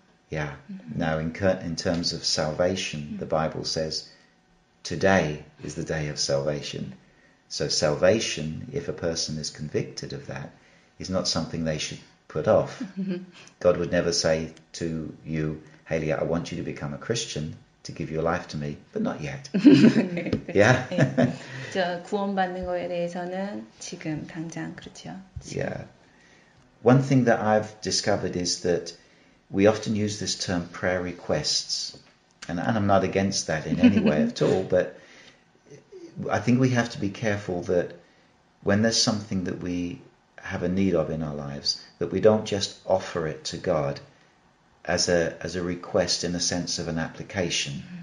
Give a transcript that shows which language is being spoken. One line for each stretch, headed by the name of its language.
English: Yeah. Now, in terms of salvation, the Bible says today is the day of salvation. So salvation, if a person is convicted of that, is not something they should put off. God would never say to you, Hayley, I want you to become a Christian to give your life to me, but not yet.
Korean: 네,
English: yeah.
Korean: 네. 저 구원받는 거에 대해서는 지금 당장 그렇죠. 지금.
English: Yeah. One thing that I've discovered is that we often use this term prayer requests, and I'm not against that in any way at all, but I think we have to be careful that when there's something that we have a need of in our lives, that we don't just offer it to God as a request in the sense of an application.